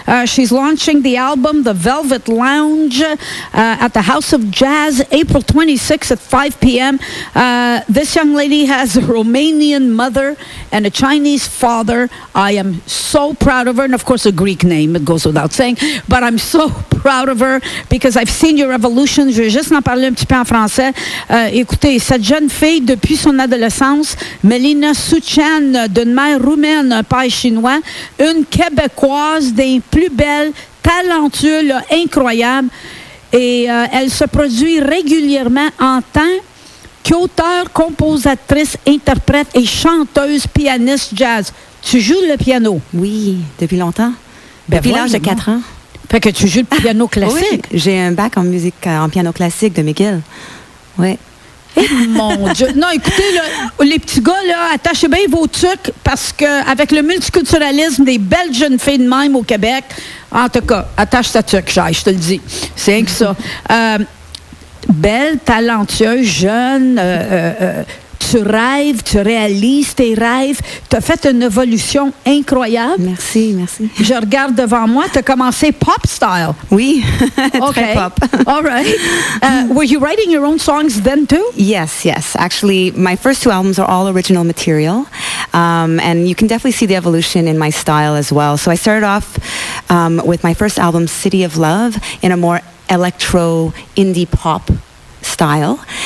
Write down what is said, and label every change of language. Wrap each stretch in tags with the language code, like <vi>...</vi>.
<en>She's launching the album, The Velvet Lounge, at the House of Jazz, April 26th at 5 p.m. This young lady has a Romanian mother and a Chinese father. I am so proud of her. And, of course, a Greek name, it goes without saying. But I'm so proud of her because I've seen your evolution.</en> <fr>Je vais juste en parler un petit peu en français. Écoutez, cette jeune fille, depuis son adolescence, Melina Suchan, d'une mère roumaine, un père chinois, une Québécoise des plus belles, talentueuse, incroyable. Et elle se produit régulièrement en tant qu'auteur, compositrice, interprète et chanteuse, pianiste, jazz. Tu joues le piano? Oui, depuis longtemps. Ben depuis l'âge de 4 ans. Fait que tu joues le piano classique. Oui, j'ai un bac en musique, en piano classique de McGill. Oui. Mon Dieu. Non, écoutez, les petits gars, là, attachez bien vos tucs, parce qu'avec le multiculturalisme des belles jeunes filles de même au Québec, en tout cas, attache ta tuque, je te le dis. C'est rien que ça. Belle, talentueuse, jeune, tu rêves, tu réalises tes rêves. Tu as fait une évolution incroyable. Merci, merci. Je regarde devant moi, tu as commencé pop style. Oui, très pop.</fr> <en>All right. Were you writing your own songs then too? Yes, yes. Actually, my first two albums are all original material. And you can definitely see the evolution in my style as well. So I started off with my first album, City of Love, in a more electro indie pop style.</en>